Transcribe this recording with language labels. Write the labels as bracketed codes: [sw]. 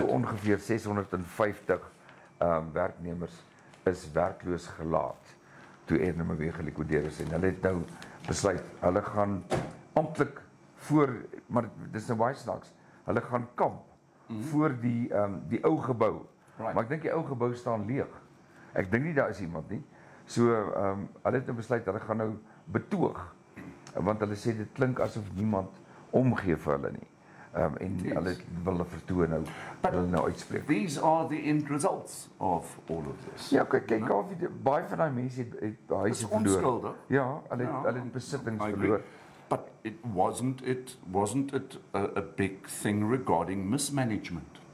[af] So ongeveer 650 werknemers is werkloos gelaat toe Air Namibia gelikwideer is, en hulle het nou besluit, hulle gaan amptelik voor, maar dit is nou baie snaaks, hulle gaan kamp voor die ou gebouw, [en] right. [af] Maar ek dink die ou gebouw staan leeg, ek dink nie daar is iemand nie, so hulle het nou besluit, hulle gaan nou betoog, want hulle sê dit klink asof niemand omgee vir hulle nie. En hulle wil vertoon nou, hulle nou uitspreek. [en] These are the end results of all of this. [af] Ja, kyk af, baie van die mense het huise verloor. Is onskuldig. Ja, hulle het besittings verloor. [en] But wasn't it a big thing regarding mismanagement?